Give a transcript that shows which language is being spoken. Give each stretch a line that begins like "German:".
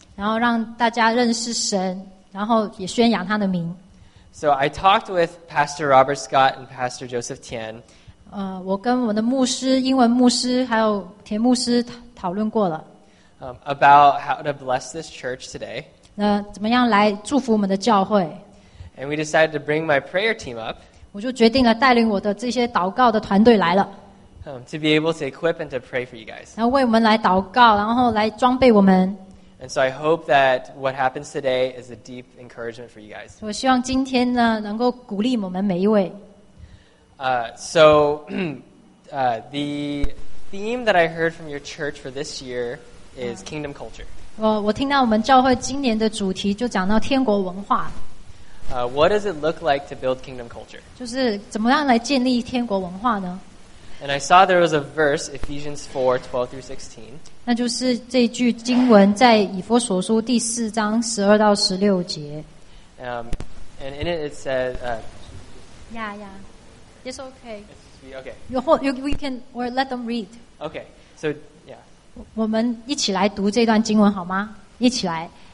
Chinese: 然后让大家认识神，然后也宣扬他的名。
English: So I talked with Pastor Robert Scott and Pastor Joseph Tian.
Chinese: 我跟我的牧师，英文牧师还有田牧师讨论过了。
English: About how to bless this church today.
Chinese: 那怎么样来祝福我们的教会？
English: And we decided to bring my prayer team up.
Chinese: 我就决定了带领我的这些祷告的团队来了。
English: To be able to equip and to pray for you guys.
Chinese: 然后为我们来祷告，然后来装备我们。
English: And so I hope that what happens today is a deep encouragement for you guys.
Chinese: 我希望今天呢能够鼓励我们每一位。
English: The theme that I heard from your church for this year is kingdom culture.
Chinese: 我听到我们教会今年的主题就讲到天国文化。
English: What does it look like to build kingdom culture?
Chinese: 就是怎么样来建立天国文化呢？
English: And I saw there was a verse, Ephesians 4:12-16.
Chinese: 那就是这句经文在以弗所书第四章12到16节。
English: And in it, it says... It's okay. Okay. We can or let them read. Okay. So, yeah.
Chinese: 我们一起来读这段经文好吗?一起来。